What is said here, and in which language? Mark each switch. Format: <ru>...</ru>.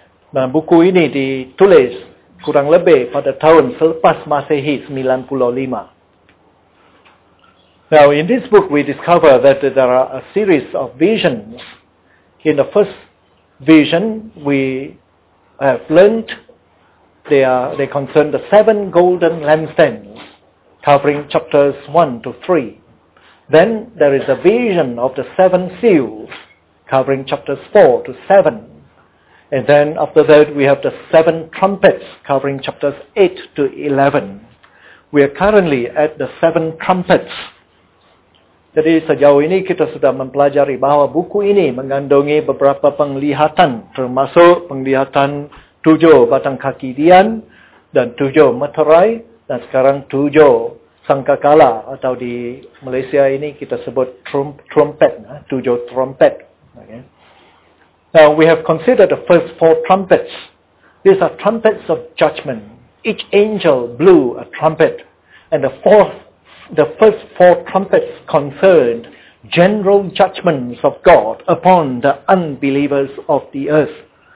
<ms>Nah, buku ini ditulis kurang lebih pada tahun selepas Masehi 95.</ms> <en>Now, in this book, we discover that there are a series of visions. In the first vision, we have learned they concern the seven golden lampstands, covering chapters 1 to 3. Then there is a vision of the seven seals, covering chapters 4 to 7. And then after that, we have the seven trumpets, covering chapters 8 to 11. We are currently at the seven trumpets.</en> <ms>Jadi sejauh ini kita sudah mempelajari bahwa buku ini mengandungi beberapa penglihatan, termasuk penglihatan 7 batang kaki Dian dan 7 meterai dan sekarang 7 sangkakala, atau di Malaysia ini kita sebut trumpet, 7 trumpet.</ms> <en>Okay. Now we have considered the first 4 trumpets. These are trumpets of judgment. Each angel blew a trumpet, and the first four trumpets concerned general judgments of God upon the unbelievers of the earth.</en>